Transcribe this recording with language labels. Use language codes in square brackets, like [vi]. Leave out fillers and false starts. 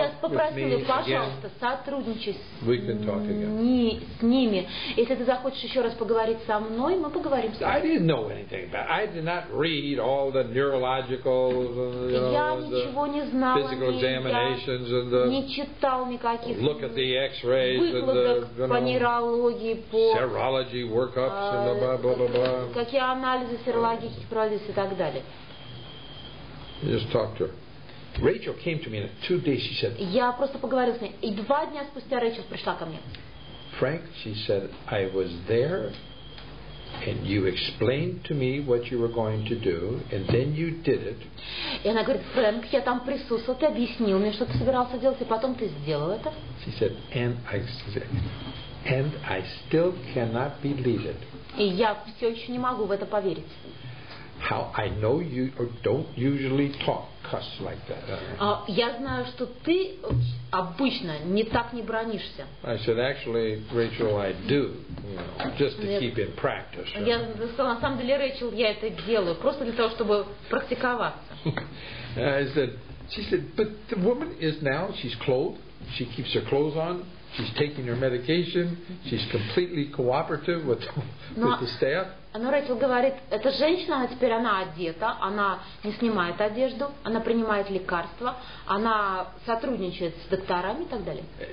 [ru] я попросила, пожалуйста, сотрудничай с ними. Если ты захочешь еще раз поговорить со мной, мы поговорим с тобой. [en] I didn't know anything about it. I did not read all the neurological, physical examinations and the [ru] не читал никаких. [en] Look at the X-rays and the [ru] нейрологии, по [en] serology workups and the blah blah blah blah. [ru] Какие анализы серологических проводились и так далее. [en] Just talk to her. Rachel came to me in 2 days, she said. [ru] Я просто поговорила с ней. И два дня спустя Рэйчел пришла ко мне. [en] Frank, she said, I was there and you explained to me what you were going to do and then you did it. [ru] И она говорит, Фрэнк, я там присутствовал, ты объяснил мне, что ты собирался делать, и потом ты сделал это. [en] She said, and I still cannot believe it. [ru] И я все еще не могу в это поверить. [en] How I know you don't usually talk cuss like that. [ru] Я знаю, что ты обычно не так не бронишься. [en] I said, actually, Rachel, I do, just to keep in practice. [ru] Я сказала, на самом деле, Рэйчел, я это делаю просто для того, чтобы практиковаться. [en] I said, she said, but the woman is now, she's clothed, she keeps her clothes on. She's taking her medication. She's completely cooperative with the staff. [ru] Но Рэйчел говорит, эта женщина, она теперь она одета, она не снимает одежду, она принимает лекарства, она сотрудничает с докторами и так далее.